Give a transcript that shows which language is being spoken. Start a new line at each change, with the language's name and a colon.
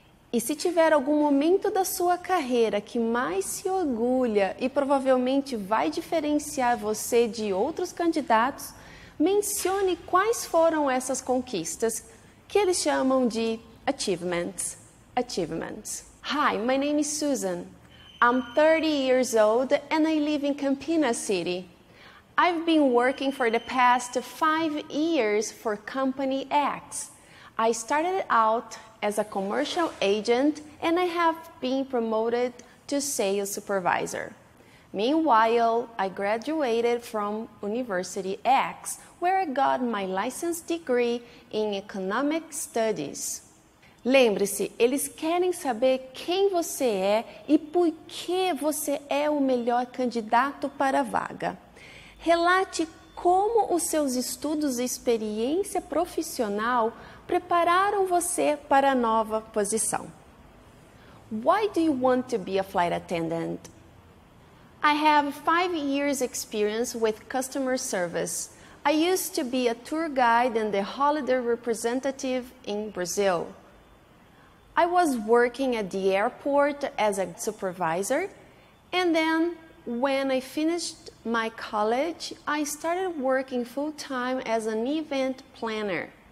Portuguese: E se tiver algum momento da sua carreira que mais se orgulha e provavelmente vai diferenciar você de outros candidatos, mencione quais foram essas conquistas, que eles chamam de achievements.
English: Achievements. Hi, my name is Susan. I'm 30 years old and I live in Campinas City. I've been working for the past 5 years for Company X. I started out as a commercial agent and I have been promoted to sales supervisor. Meanwhile, I graduated from University X, where I got my license degree in economic studies.
Portuguese: Lembre-se, eles querem saber quem você é e por que você é o melhor candidato para a vaga. Relate como os seus estudos e experiência profissional prepararam você para a nova posição.
English: Why do you want to be a flight attendant? I have 5 years experience with customer service. I used to be a tour guide and the holiday representative in Brazil. I was working at the airport as a supervisor, and then when I finished my college, I started working full-time as an event planner.